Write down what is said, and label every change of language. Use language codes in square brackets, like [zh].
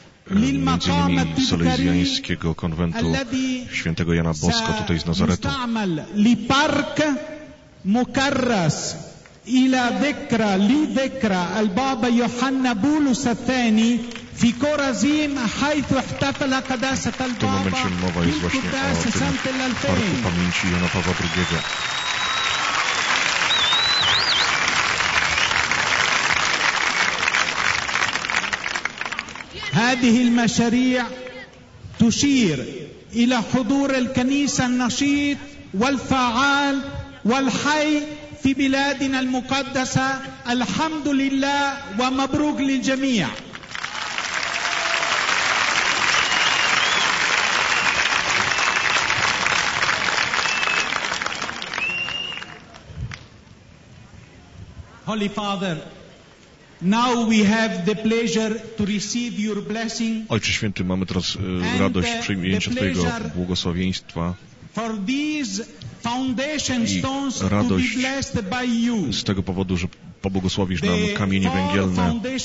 [pl] Między innymi Salezjańskiego konwentu świętego Jana Bosko tutaj z Nazaretu. [ar] مستعمل لبارك مكرس إلى ذكرى لذكرى البابا يوحنا بولس الثاني في كورازيم حيث احتفل قداسة البابا في القداسة سنة 2000. هذه المشاريع تشير إلى حضور الكنيسة النشيط والفعال والحي في بلادنا المقدسة. الحمد لله ومبروك للجميع. [en] Holy Father, now we have the pleasure to receive your blessing. [pl] Ojcze Święty, mamy teraz radość przyjęcia Twojego błogosławieństwa. [en] For these foundation stones to be blessed by you. [pl] Z tego powodu, że pobłogosławisz nam kamienie węgielne.